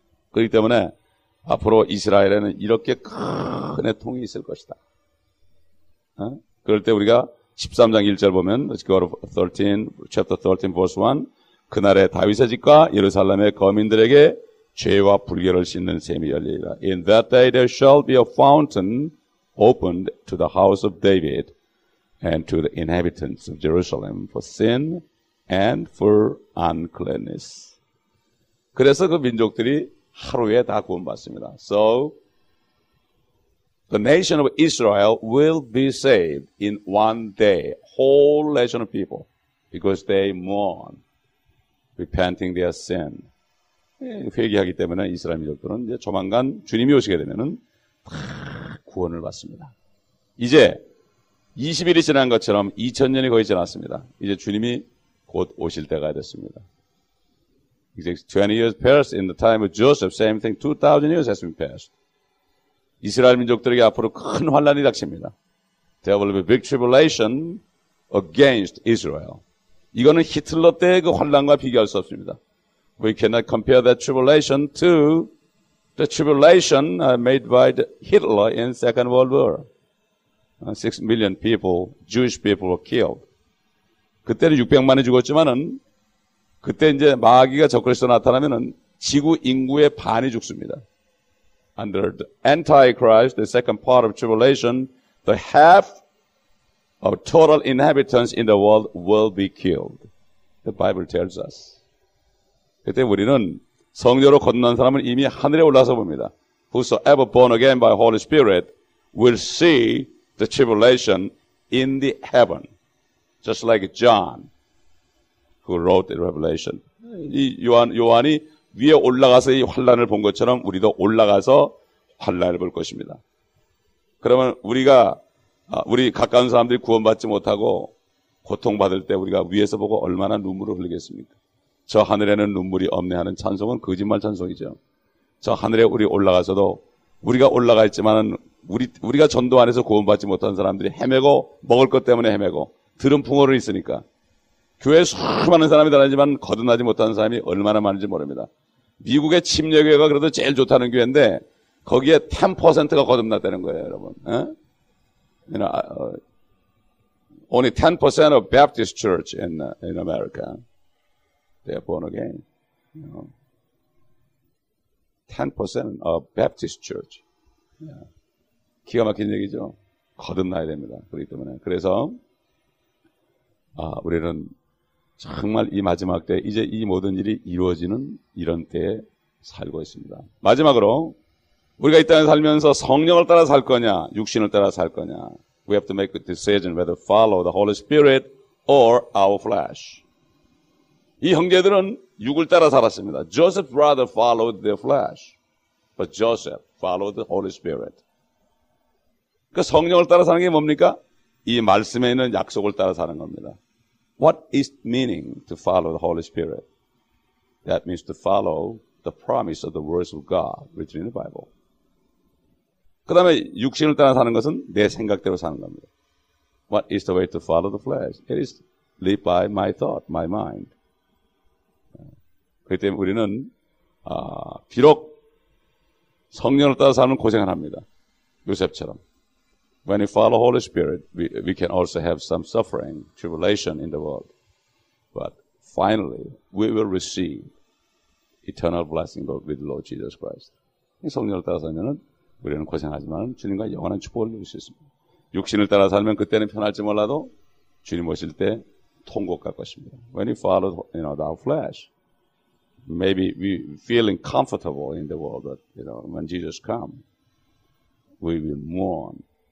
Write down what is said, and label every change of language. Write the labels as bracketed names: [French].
[Korean] 그렇기 때문에 앞으로 이스라엘에는 이렇게 큰 애통이 있을 것이다. 그럴 때 우리가 13장 1절 보면, [English] Let's go to 13, chapter 13, verse 1. [Korean] 그날에 다윗의 집과 예루살렘의 거민들에게 죄와 불결을 씻는 샘이 열리리라. [English] In that day there shall be a fountain opened to the house of David, and to the inhabitants of Jerusalem for sin and for uncleanness. [Korean] 그래서 그 민족들이 하루에 다 구원받습니다. [English] So the nation of Israel will be saved in one day, whole nation of people, because they mourn, repenting their sin. [Korean] 회개하기 때문에 이스라엘 민족들은 이제 조만간 주님이 오시게 되면은 다 구원을 받습니다. 이제 20일이 지난 것처럼 2000년이 거의 지났습니다. 이제 주님이 곧 오실 때가 됐습니다. [English] 20 years passed in the time of Joseph. Same thing. 2000 years has been passed. [Korean] 이스라엘 민족들에게 앞으로 큰 환난이 닥칩니다. [English] There will be big tribulation against Israel. [Korean] 이거는 히틀러 때 그 환난과 비교할 수 없습니다. [English] We cannot compare that tribulation to the tribulation made by Hitler in Second World War. 6 million people, Jewish people were killed. [Korean] 그때는 600만이 죽었지만은 그때 이제 마귀가 적그리스도 나타나면은 지구 인구의 반이 죽습니다. [English] Under the Antichrist, the second part of tribulation, the half of total inhabitants in the world will be killed. The Bible tells us. [Korean] 그때 우리는 성녀로 거듭난 사람은 이미 하늘에 올라서 봅니다. [English] Whosoever born again by Holy Spirit will see the tribulation in the heaven. Just like John. Who wrote the Revelation? [Korean] 이 요한이 위에 올라가서 이 환난을 본 것처럼 우리도 올라가서 환난을 볼 것입니다. 그러면 우리가 우리 가까운 사람들이 구원받지 못하고 고통받을 때 우리가 위에서 보고 얼마나 눈물을 흘리겠습니까? 저 하늘에는 눈물이 없네 하는 찬송은 거짓말 찬송이죠. 저 하늘에 우리 올라가서도 우리가 올라가 있지만은 우리가 전도 안에서 구원받지 못한 사람들이 헤매고 먹을 것 때문에 헤매고 들은 풍어를 있으니까. 교회에 수많은 사람이 다니지만 거듭나지 못하는 사람이 얼마나 많은지 모릅니다. 미국의 침례교회가 그래도 제일 좋다는 교회인데 거기에 10%가 거듭났다는 거예요, 여러분. 에? [English] You know, only 10% of Baptist church in America they are born again. You know, 10% of Baptist church. Yeah. [Korean] 기가 막힌 얘기죠. 거듭나야 됩니다. 그렇기 때문에. 그래서 우리는 정말 이 마지막 때 이제 이 모든 일이 이루어지는 이런 때에 살고 있습니다. 마지막으로 우리가 이 땅에 살면서 성령을 따라 살 거냐 육신을 따라 살 거냐. [English] We have to make a decision whether follow the Holy Spirit or our flesh. [Korean] 이 형제들은 육을 따라 살았습니다. [English] Joseph's brother followed their flesh. But Joseph followed the Holy Spirit. [Korean] 그 성령을 따라 사는 게 뭡니까? 이 말씀에 있는 약속을 따라 사는 겁니다. [English] What is meaning to follow the Holy Spirit? That means to follow the promise of the words of God written in the Bible. [Korean] 그 다음에 육신을 따라 사는 것은 내 생각대로 사는 겁니다. [English] What is the way to follow the flesh? It is live by my thought, my mind. [Korean] 그렇기 때문에 우리는 비록 성령을 따라 사는 고생을 합니다. 요셉처럼. [English] When we follow Holy Spirit, we can also have some suffering, tribulation in the world. But finally, we will receive eternal blessing with the Lord Jesus Christ. [Korean] 성령을 따라 살면은 우리는 고생하지만 주님과 영원한 축복을 누릴 수 있습니다. 육신을 따라 살면 그때는 편할지 몰라도 주님 오실 때 통곡 갈 것입니다. [English] When we follow, you know, our flesh, maybe we feeling comfortable in the world, but, you know, when Jesus come, we will mourn.